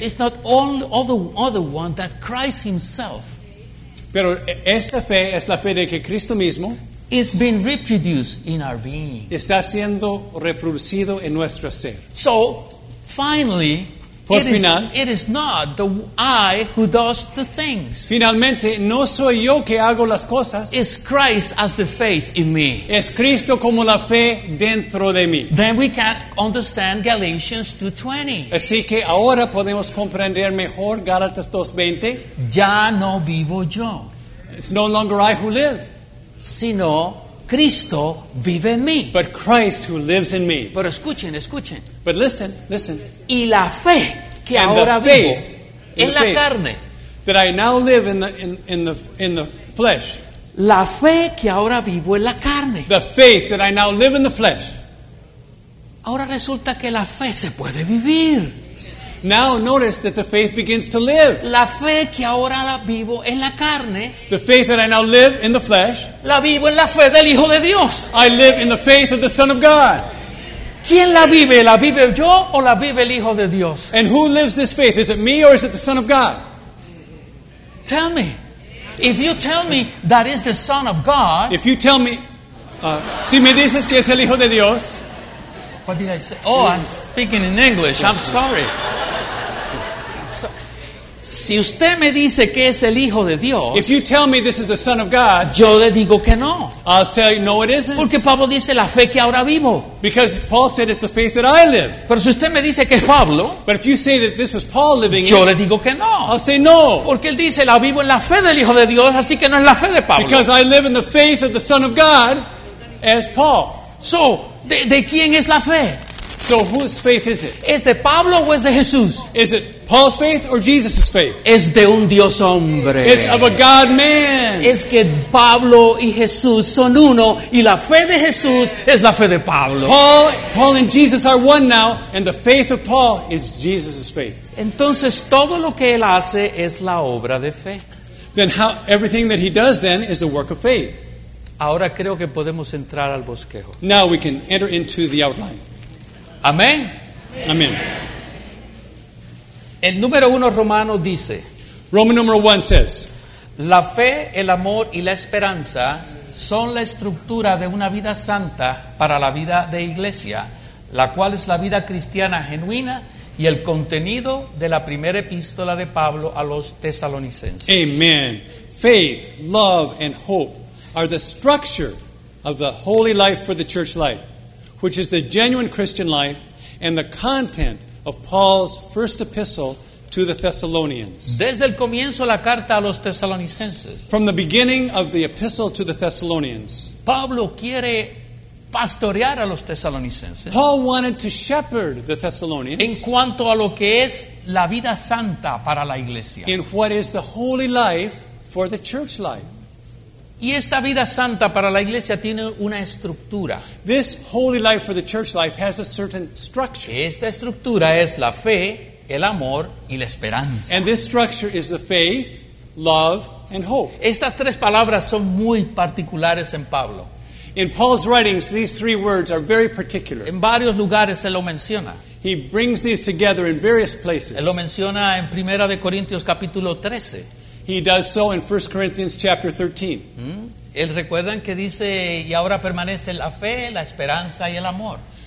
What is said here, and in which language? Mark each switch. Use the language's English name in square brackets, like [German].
[English] is not only other one that Christ himself. [Spanish] Pero esta fe es la fe de que Cristo mismo. [English] Is being reproduced in our being. [Spanish] Está siendo reproducido en nuestro ser. [English] So, finally, it is not the I who does the things. [Spanish] Finalmente, no soy yo que hago las cosas. [English] It's Christ as the faith in me. [Spanish] Es Cristo como la fe dentro de mí. [English] Then we can understand Galatians 2:20. [Spanish] Así que ahora podemos comprender mejor Gálatas 2:20. Ya no vivo yo. [English] It's no longer I who live. [Spanish] Sino Cristo vive en mí. [English] But Christ who lives in me. [Spanish] Pero escuchen, escuchen. [English] But listen. [Spanish] Y la fe que [English] and [Spanish] ahora [English] the [Spanish] vivo en la carne. [English] That I now live in the flesh. [Spanish] La fe que ahora vivo en la carne. [English] The faith that I now live in the flesh. [Spanish] Ahora resulta que la fe se puede vivir. [English] Now notice that the faith begins to live. [Spanish] La fe que ahora vivo en la carne. [English] The faith that I now live in the flesh. [Spanish] La vivo en la fe del Hijo de Dios. [English] I live in the faith of the Son of God. [Spanish] ¿Quién la vive? ¿La vive yo o la vive el Hijo de Dios? [English] And who lives this faith? Is it me or is it the Son of God? Tell me. If you tell me that is the Son of God. If you tell me, [Spanish] si me dices que es el Hijo de Dios. [English] What did I say? Oh, I'm speaking in English. I'm sorry. [Spanish] Si usted me dice que es el Hijo de Dios. [English] If you tell me this is the Son of God. [Spanish] Yo le digo que no. [English] I'll say no, it isn't. [Spanish] Porque Pablo dice la fe que ahora vivo. [English] Because Paul said it's the faith that I live. [Spanish] Pero si usted me dice que es Pablo. [English] But if you say that this was Paul living [Spanish] yo le digo que no. [English] I'll say no. [Spanish] Porque él dice la vivo en la fe del Hijo de Dios, así que no es la fe de Pablo. [English] Because I live in the faith of the Son of God as Paul. [Spanish] So, ¿De quién es la fe? [English] So whose faith is it? [Spanish] ¿Es de Pablo o es de Jesús? [English] Is it Paul's faith or Jesus' faith? [Spanish] Es de un Dios hombre. [English] It's of a God man. [Spanish] Es que Pablo y Jesús son uno y la fe de Jesús es la fe de Pablo. [English] Paul and Jesus are one now and the faith of Paul is Jesus' faith. [Spanish] Entonces todo lo que él hace es la obra de fe. [English] Then how everything that he does then is a work of faith. [Spanish] Ahora creo que podemos entrar al bosquejo. [English] Now we can enter into the outline. [Spanish] Amén. Amén. El número uno romano dice. [English] Roman number one says. [Spanish] La fe, el amor y la esperanza son la estructura de una vida santa para la vida de iglesia, la cual es la vida cristiana genuina y el contenido de la primera epístola de Pablo a los tesalonicenses. [English] Amen. Faith, love and hope. Are the structure of the holy life for the church life, which is the genuine Christian life, and the content of Paul's first epistle to the Thessalonians. [Spanish] Desde el comienzo la carta a los tesalonicenses. [English] From the beginning of the epistle to the Thessalonians. [Spanish] Pablo quiere pastorear a los tesalonicenses. [English] Paul wanted to shepherd the Thessalonians. [Spanish] En cuanto a lo que es la vida santa para la iglesia. [English] In what is the holy life for the church life. [Spanish] Y esta vida santa para la iglesia tiene una estructura. [English] This holy life for the church life has a certain structure. [Spanish] Esta estructura es la fe, el amor y la esperanza. [English] And this structure is the faith, love, and hope. [Spanish] Estas tres palabras son muy particulares en Pablo. [English] In Paul's writings, these three words are very particular. [Spanish] En varios lugares se lo menciona. [English] He brings these together in various places. [Spanish] Él lo menciona en Primera de Corintios capítulo 13. [English] He does so in 1 Corinthians chapter 13. [Spanish] Él recuerdan que dice, y ahora permanece la fe, la esperanza y el amor.